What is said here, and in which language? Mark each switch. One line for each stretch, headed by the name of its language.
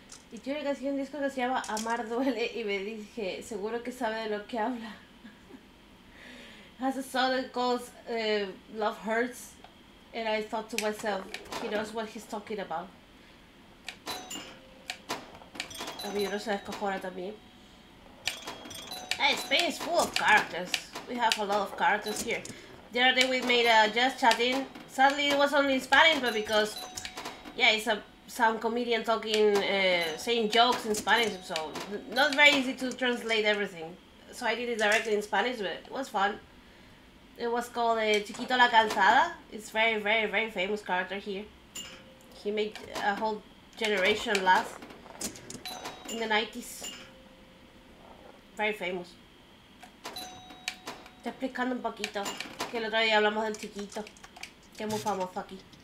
Spanish: Y tiene una canción, un disco que se llama Amar Duele, y me dije, seguro que sabe de lo que habla.
English: Has a song that calls Love Hurts, and I thought to myself, he knows what he's talking about.
Spanish: A mí no se descojona también.
English: Nice, Spain is full of characters. We have a lot of characters here. The other day we made a just chatting. Sadly, it was only in Spanish, but because, yeah, it's a some comedian talking, saying jokes in Spanish, so not very easy to translate everything. So I did it directly in Spanish, but it was fun. It was called Chiquito la Calzada. It's very, very, very famous character here. He made a whole generation laugh in the 90s. Very famous.
Spanish: Te explicando un poquito que el otro día hablamos del chiquito, que es muy famoso aquí.